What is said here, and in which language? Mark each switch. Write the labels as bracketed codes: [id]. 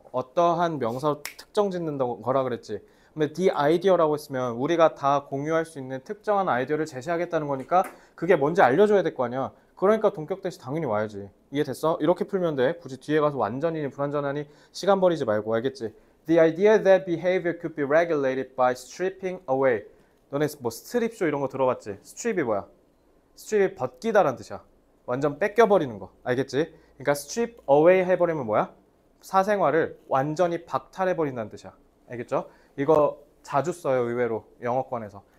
[ko] 어떠한 명사로 특정 짓는 거라 그랬지. 근데 the idea라고 했으면 우리가 다 공유할 수 있는 특정한 아이디어를 제시하겠다는 거니까 그게 뭔지 알려줘야 될거 아니야. 그러니까 동격 대시 당연히 와야지. 이해됐어? 이렇게 풀면 돼. 굳이 뒤에 가서 완전히 불완전하니 시간 버리지 말고. 알겠지? [en] The idea that behavior could be regulated by stripping away. [ko] 너네 뭐 스트립쇼 이런 거 들어봤지? 스트립이 뭐야? 스트립이 벗기다란 뜻이야. 완전 뺏겨버리는 거. 알겠지? 그러니까 strip away 해버리면 뭐야? 사생활을 완전히 박탈해버린다는 뜻이야. 알겠죠? 이거 자주 써요, 의외로. 영어권에서.